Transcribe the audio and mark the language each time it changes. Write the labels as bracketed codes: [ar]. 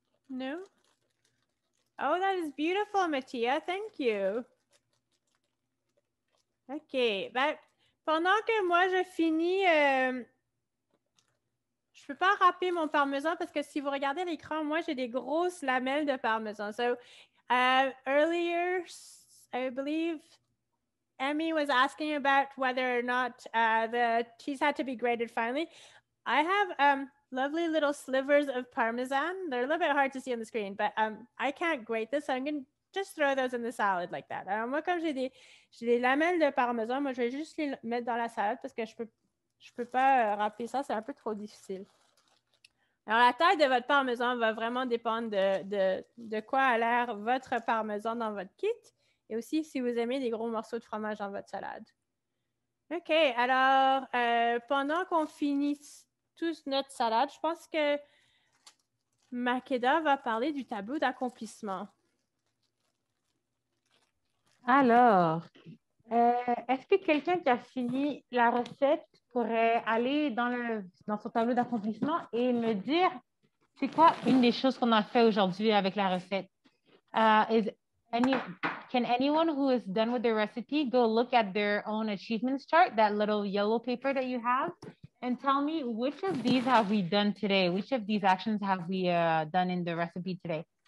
[en] No? Oh, that is beautiful, Mattia. Thank you. OK. [fr] Ben, pendant que moi, je finis, je ne peux pas râper mon parmesan parce que si vous regardez l'écran, moi, j'ai des grosses lamelles de parmesan. [en] So, earlier, I believe, Emmy was asking about whether or not the cheese had to be grated finely. I have lovely little slivers of parmesan. They're a little bit hard to see on the screen, but I can't grate this, so I'm going to just throw those in the salad like that. [fr] Alors moi, comme j'ai des lamelles de parmesan, moi, je vais juste les mettre dans la salade parce que je peux pas râper ça. C'est un peu trop difficile. Alors, la taille de votre parmesan va vraiment dépendre de quoi a l'air votre parmesan dans votre kit et aussi si vous aimez des gros morceaux de fromage dans votre salade. OK. Alors, pendant qu'on finisse tous notre salade, je pense que Makeda va parler du tableau d'accomplissement. Alors, est-ce que quelqu'un qui a fini la recette pourrait aller dans son tableau d'accomplissement et me dire c'est quoi une des choses qu'on a fait aujourd'hui avec la recette? [en] Can anyone who is done with the recipe go look at their own achievements chart, that little yellow paper that you have, and tell me which of these have we done today? Which of these actions have we done in the recipe today?